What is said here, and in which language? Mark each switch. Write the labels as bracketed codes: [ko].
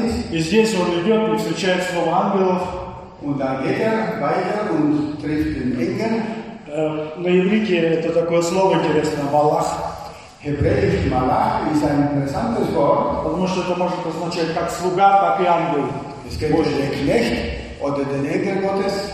[ru] И здесь он идет и встречает слово ангелов. На иврите это такое слово интересное, малах. [de] Hebräisch Malach ist ein interessantes Wort. [ru] Потому что это может означать как слуга, так и ангел. [de] Es kann auch der Knecht oder den Engel Gottes.